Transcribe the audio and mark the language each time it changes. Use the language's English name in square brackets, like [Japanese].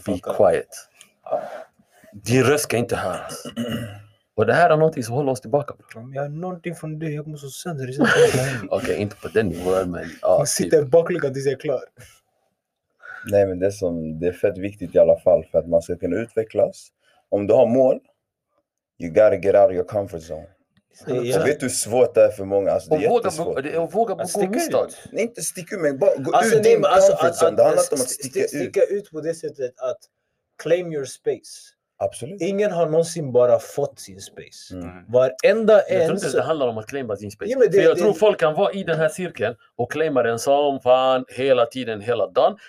[Swedish] folk. [English] Be quiet. [Swedish] Din röst ska inte höras. Och det här är någonting som håller oss tillbaka. Jag har någonting från dig. Jag kommer så sönder. Okej, inte på den nivån. Men, sitter bakluckan tills jag är klar. Nej, men det är fett viktigt i alla fall. För att man ska kunna utvecklas. Om du har mål. [English] You gotta get out of your comfort zone. [Swedish] Ja. Så vet du hur svårt det är för många? Alltså, och våga på att gå ut. Nej, inte sticka ut. Men bara gå alltså, ut din comfort zone. Det handlar om att sticka ut. På det sättet att [English] claim your space. [Swedish] Absolut. Ingen har någonsin bara fått sin space. Mm. Varenda jag tror inte det handlar om att claima sin space. Ja, för jag tror folk kan vara i den här cirkeln och claima den som fan hela tiden, hela dagen.